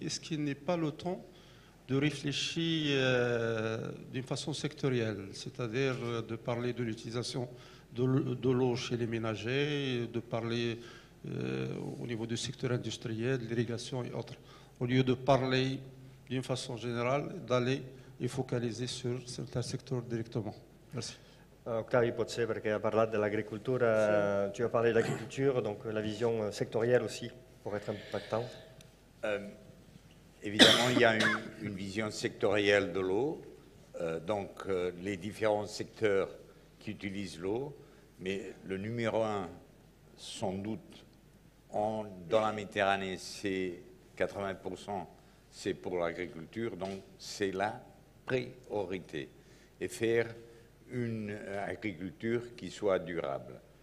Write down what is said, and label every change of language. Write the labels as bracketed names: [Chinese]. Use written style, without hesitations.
[French] Est-ce qu'il n'est pas le temps de réfléchir d'une façon sectorielle, c'est-à-dire de parler de l'utilisation de l'eau chez les ménagers, de parler au niveau du secteur industriel, de l'irrigation et autres, au lieu de parler d'une façon générale, d'aller [Catalan] i focalitzar [French] sur certains secteurs directement. Merci. [Catalan] Octavi, potser perquè ha parlat de l'agricultura, sí. Tu has parlat d'agricultura, [French] donc la vision sectorielle aussi pour être impactant. Évidemment, il y a une vision sectorielle de l'eau, donc les différents secteurs qui utilisent l'eau, mais le numéro un, sans doute, dans la Méditerranée, c'est 80%, c'est pour l'agriculture, donc c'est là priorité et faire une agriculture qui soit durable.